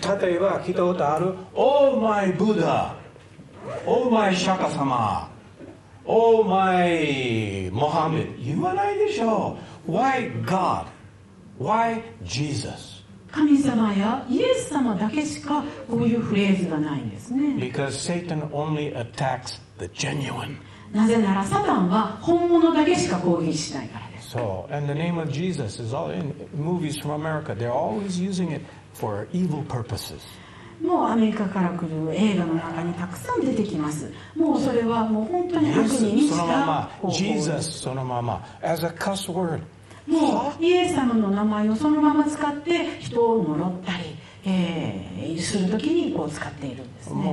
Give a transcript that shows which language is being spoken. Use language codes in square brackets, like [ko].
[ja] はい、例えば聞いたことある [en] Oh my Buddha Oh my [ja] 釈迦様 [en] Oh my Mohammed [ja] 言わないでしょう。 [en] Why God? Why Jesus? [ja] 神様やイエス様だけしかこういうフレーズがないんですね。 [en] Because Satan only attacks the genuine. [ja] なぜならサタンは本物だけしか攻撃しないからです。 [en] So, and the name of Jesus is all in movies from America. They're always using it for evil purposes. [ja] もうアメリカから来る映画の中にたくさん出てきます。もうそれはもう本当に悪に満ちた方法です。そのまま、Jesus そのまま、 [en] as a cuss word. [ja] もうイエス様の名前をそのまま使って人を呪ったり、するときにこう使っているんですね。